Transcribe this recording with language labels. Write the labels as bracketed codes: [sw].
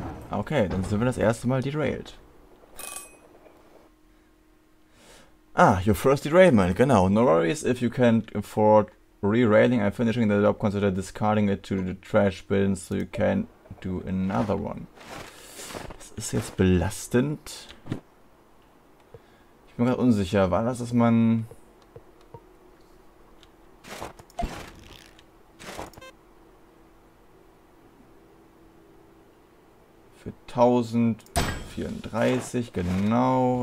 [de] Okay, dann sind wir das erste Mal derailed. [en] Ah, your first derailment, [de] genau. [en] No worries if you can't afford re-railing. I'm finishing the job, consider discarding it to the trash bin so you can do another one. [de] Das ist jetzt belastend. Ich bin gerade unsicher, war das, dass man... Für 1034, genau.